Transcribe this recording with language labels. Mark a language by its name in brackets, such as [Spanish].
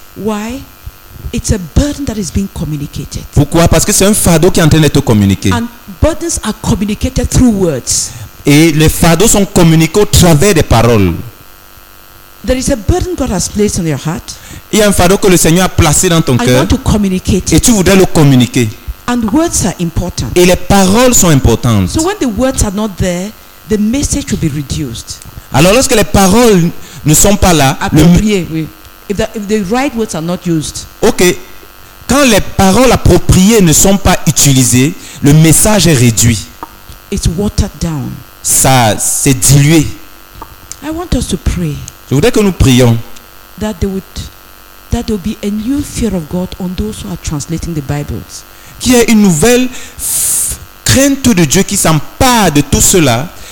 [English] Why? It's a burden that is being communicated. [French] Pourquoi? Parce que c'est un fardeau qui est en train d'être communiqué. [English] And burdens are communicated through words. [French] Et les fardeaux sont communiqués au travers des paroles. [English] There is a burden God has placed on your heart. [French] Il y a un fardeau que le Seigneur a placé dans ton cœur. [English] I want to communicate. [French] Et tu voudrais le communiquer. [English] And words are important. [French] Et les paroles sont importantes. [English] So when the words are not there, the message will be reduced. [French] Alors lorsque les paroles ne sont pas là, [English] If the right words are not used. OK. [French] Quand les paroles appropriées ne sont pas utilisées, le message est réduit. [English] It's watered down. [French] Ça c'est dilué. [English] I want us to pray. [French] Je voudrais que nous prions. [English] That there will be a new fear of God on those who are translating the Bibles. [French] Qu'il y ait une nouvelle crainte de Dieu qui s'empare de tout cela